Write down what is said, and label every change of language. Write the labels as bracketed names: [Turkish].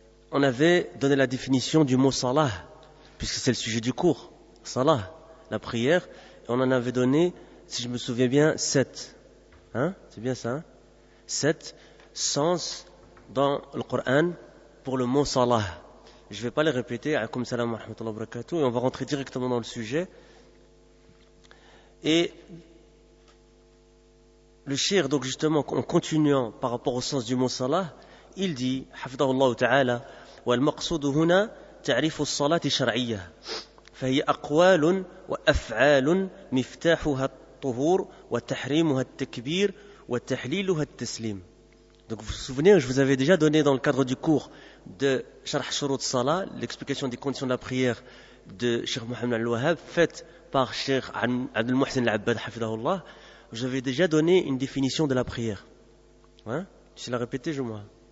[French] On avait donné la définition du mot Salah, puisque c'est le sujet du cours, Salah, la prière. On en avait donné, si je me souviens bien, 7. Hein? C'est bien ça, hein? 7 sens dans le Coran pour le mot Salah. Je ne vais pas les répéter. [Arabic] Alaykoum salam wa rahmatullahi wa barakatuh. [French] Et on va rentrer directement dans le sujet. Et le shir, donc justement, en continuant par rapport au sens du mot Salah, il dit, [Arabic] حفظه الله تعالى والمقصود هنا تعريف الصلاة شرعية فهي أقوال وأفعال مفتاحها الطهور وتحريمها التكبير وتحليلها التسليم. [French] Donc vous vous souvenez, je vous avais déjà donné dans le cadre du cours de Sharh Shurut Salah, l'explication des conditions de la prière de Cheikh Mohamed Al-Wahhab, faite par Cheikh Abdul Muhsin Al-Abbad, hafidahullah, je vous avais déjà donné une définition de la prière. Hein? Tu sais la répéter, Jumu'ah?